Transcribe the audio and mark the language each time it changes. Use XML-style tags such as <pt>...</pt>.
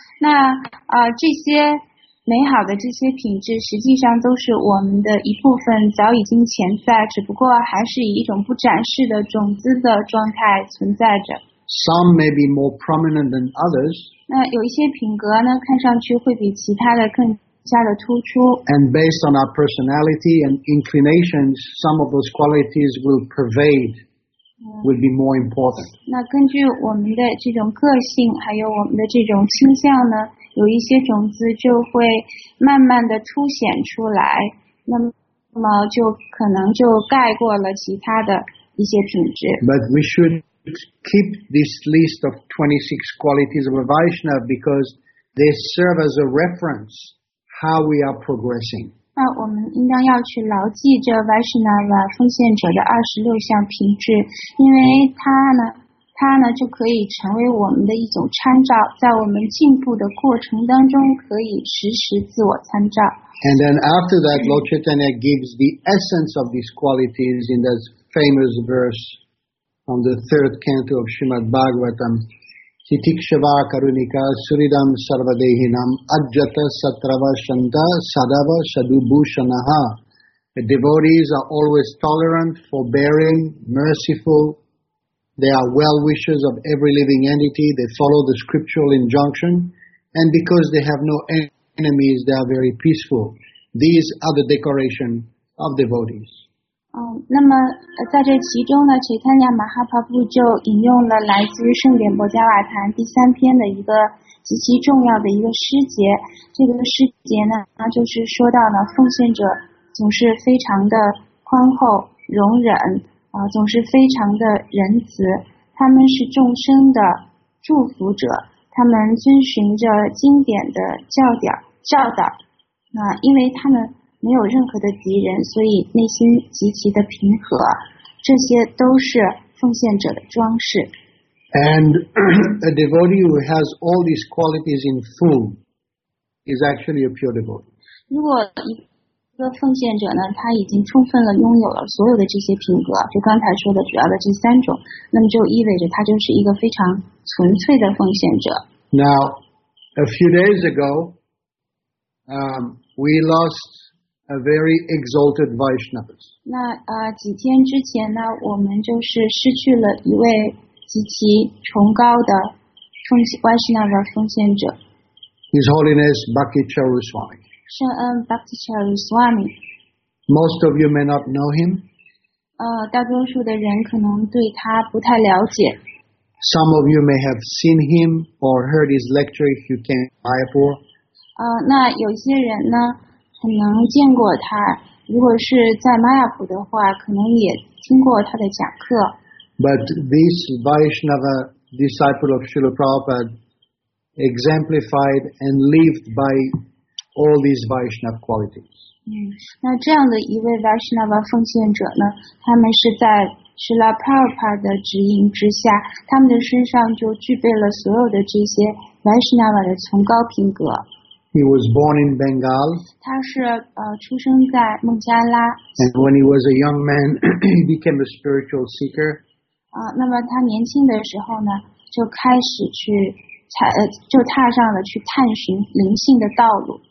<zh>这些美好的这些品质实际上都是我们的一部分，早已经潜在，只不过还是以一种不展示的种子的状态存在着。</zh> <en>Some may be more prominent than others.</en> <zh>那有一些品格呢，看上去会比其他的更加的突出。</zh> <en>And based on our personality and inclinations, some of those qualities will pervade, will be more important.</en> <zh>那根据我们的这种个性，还有我们的这种倾向呢，有一些种子就会慢慢的凸显出来，那么就可能就盖过了其他的一些品质。</zh> <en>But we should keep this list of 26 qualities of a Vaishnava because they serve as a reference how we are progressing.</en> <zh>那我们应当要去牢记这 Vaishnava 奉献者的26项品质，因为它呢就可以成为我们的一种参照，在我们进步的过程当中可以实时自我参照。</zh> <en>And then after that, Lord Chaitanya gives the essence of these qualities in this famous verse on the third canto of Srimad Bhagavatam.</en> <sa>Titikshava karunika suridam sarvadehinam ajjata satrava shanta sadava sadubhushanaha.</sa> <en>The devotees are always tolerant, forbearing, merciful. They are well-wishers of every living entity. They follow the scriptural injunction. And because they have no enemies, they are very peaceful. These are the decoration of devotees.</en> <zh>那么在这其中呢，齐坦尼亚马哈帕布就引用了来自于圣典博迦瓦坛第三篇的一个极其重要的一个诗节。这个诗节呢，它就是说到呢，奉献者总是非常的宽厚容忍，总是非常的仁慈，他们是众生的祝福者，他们遵循着经典的教导，因为他们没有任何的敌人，所以内心极其的平和，这些都是奉献者的装饰。</zh> <en>And a devotee who has all these qualities in full is actually a pure devotee.</en> <zh>如果一个奉献者呢，他已经充分了拥有了所有的这些品格，就刚才说的主要的这三种，那么就意味着他就是一个非常纯粹的奉献者。</zh> <en>Now, a few days ago, we lost a very exalted Vaishnava.</en> <zh>那几天之前呢，我们就是失去了一位极其崇高的Vaishnava奉献者。</zh> <en>His Holiness Bhakti Charu Swami.</en> <zh>圣恩巴提查鲁斯瓦米。</zh> <en>Most of you may not know him.</en> <zh>大多数的人可能对他不太了解。</zh> <en>Some of you may have seen him or heard his lecture if you came to Mayapur.</en> <zh>那有些人呢，很能见过他。如果是在玛雅普的话，可能也听过他的讲课。</zh> <en>But this Vaishnava disciple of Srila Prabhupada exemplified and lived by all these Vaishnava qualities.</en> <zh>那这样的一位 Vaishnava 奉献者呢，他们是在 Srila Prabhupada 的指引之下，他们的身上就具备了所有的这些 Vaishnava 的崇高品格。</zh> <en>He was born in Bengal.</en> <zh>他是出生在孟加拉。</zh> <en>And when he was a young man, he became a spiritual seeker.</en> <zh>那么他年轻的时候呢，就开始去就踏上了去探寻灵性的道路。</zh>